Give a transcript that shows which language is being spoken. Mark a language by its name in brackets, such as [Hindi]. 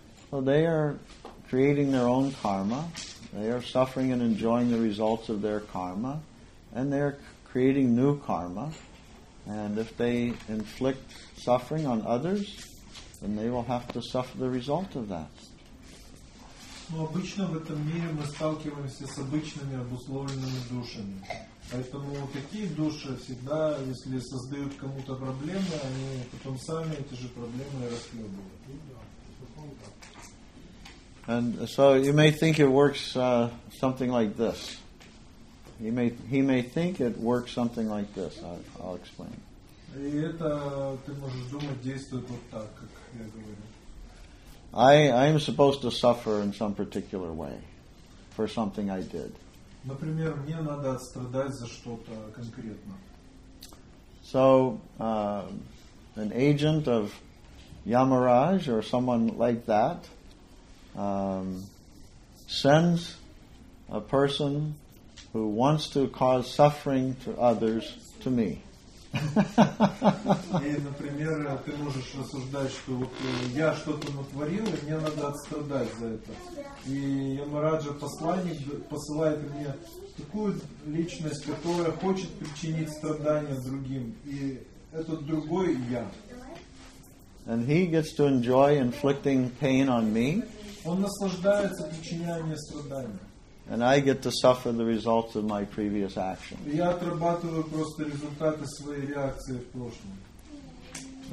[English] So they are creating their own karma. They are suffering and enjoying the results of their karma, and they are creating new karma. And if they inflict suffering on others, then they will have to suffer the result of that. [Russian] Но обычно в этом мире мы сталкиваемся с обычными обусловленными душами. Поэтому такие души всегда, если создают кому-то проблемы, они потом сами эти же проблемы и расхлебывают. [English] And so you may think it works something like this. He may think it works something like this. I'll explain. [Russian] И это ты можешь думать действует вот так, как я говорю. [English] I am supposed to suffer in some particular way for something I did. [Russian] Например, мне надо страдать за что-то конкретно. [English] So, an agent of Yamaraj or someone like that sends a person who wants to cause suffering to others to me. [Russian] И, например, ты можешь рассуждать, что вот я что-то натворил, и мне надо отстрадать за это. И Ямараджа посланник посылает мне такую личность, которая хочет причинить страдания другим. И этот другой я. [English] And he gets to enjoy inflicting pain on me. [Russian] Он наслаждается причинением страдания. [English] And I get to suffer the results of my previous action. [Russian] Я отрабатываю просто результаты своей реакции в прошлом.